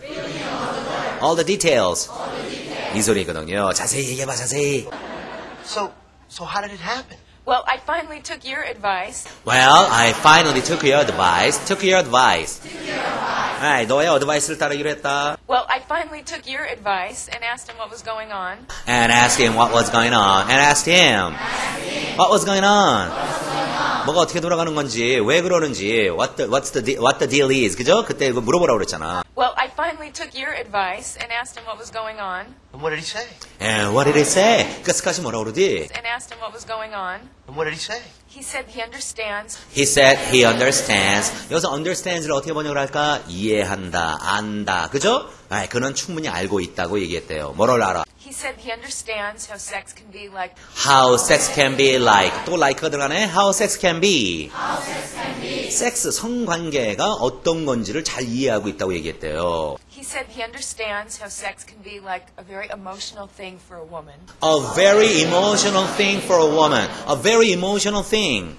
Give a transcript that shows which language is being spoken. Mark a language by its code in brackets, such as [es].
[en] Fill me in all the dirt. All the details. All the details. [ko] 이 소리거든요. 자세히 얘기해봐, 자세히. [en] So how did it happen? Well, I finally took your advice. Well, I finally took your advice. Took your advice. Took your advice. [ko] 아, 너의 어드바이스를 따르기로 했다. [en] Well, I finally took your advice and asked him what was going on. And asked him what was going on. And asked him. Asked him. What was going on? What was going on? [ko] 뭐가 어떻게 돌아가는 건지, 왜 그러는지, [en] what the deal is. [ko] 그죠? 그때 이거 물어보라고 그랬잖아. [en] Well, I finally took your advice and asked him what was going on. And what did he say? And what did he say? [ko] 그 스카시 뭐라고 그러지? [en] And asked him what was going on. And what did he say? He said he understands. He said he understands. [ko] 여기서 understands를 어떻게 번역을 할까? 이해한다, 안다, 그죠? 아, 그는 충분히 알고 있다고 얘기했대요. 뭐를 알아? [en] He said he understands how sex can be like. How sex can be like. 또 like가 들어가네. How sex can be. How sex can be. [ko] 섹스, 성관계가 어떤 건지를 잘 이해하고 있다고 얘기했대요. [en] He said he understands how sex can be like a very emotional thing for a woman. A very emotional thing for a woman. A very emotional thing.